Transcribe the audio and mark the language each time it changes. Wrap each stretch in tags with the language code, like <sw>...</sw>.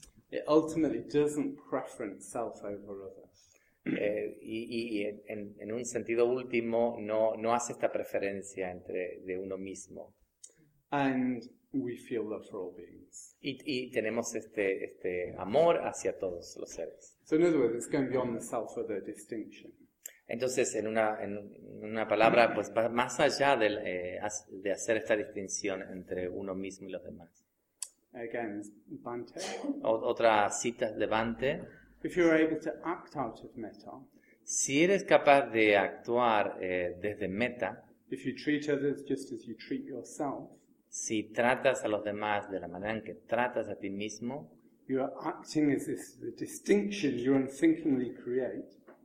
<en>It ultimately doesn't preference self over others.</en> <es>Y en un sentido último no hace esta preferencia entre de uno mismo.</es> <en>And we feel love for all beings.</en> <es>Y tenemos este amor hacia todos los seres.</es> <en>So in other words, it's going beyond the self or the distinction.</en> <es>Entonces, en una palabra, pues va más allá de hacer esta distinción entre uno mismo y los demás.</es> <en>Again, Bhante.</en> <es>Otra cita de Bhante.</es> <en>If you're able to act out of metta,</en> <es>si eres capaz de actuar desde metta,</es> <en>if you treat others just as you treat yourself,</en> <es>si tratas a los demás de la manera en que tratas a ti mismo,</es> <en>you are acting as if the distinction you unthinkingly create.</en>